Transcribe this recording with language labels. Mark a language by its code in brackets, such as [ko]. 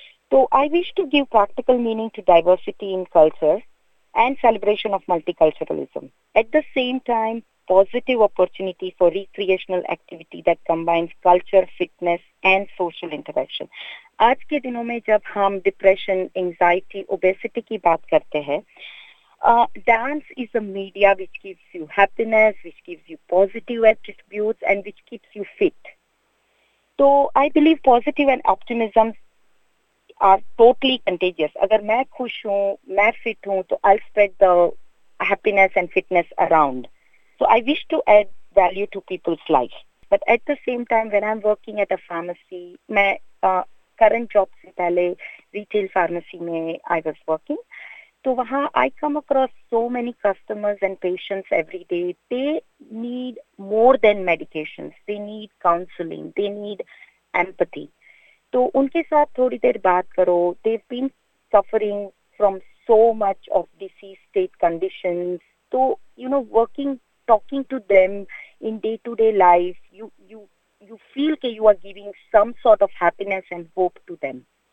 [en] तो I wish to give practical meaning to diversity in culture and celebration of multiculturalism, at the same time positive opportunity for recreational activity that combines culture, fitness and social interaction. [hi] आज के दिनों में जब हम depression, anxiety, obesity की बात करते हैं, [en] dance is a media which gives you happiness, which gives you positive attributes, and which keeps you fit. So I believe positive and optimism are totally contagious. [hi] Agar main khush hoon, main fit hoon, to [en] I'll spread the happiness and fitness around. So I wish to add value to people's life. But at the same time, when I'm working at a pharmacy, [hi] main current job se pehle retail pharmacy mein [en] I was working. So वहाँ I come across so many customers and patients every day. They need more than medications. They need counseling. They need empathy. [hi] तो उनके साथ थोड़ी देर बात करो. [en] They've been suffering from so much of disease state conditions. So you know, working, talking to them in day-to-day life, you feel that you are giving some sort of happiness and hope to them.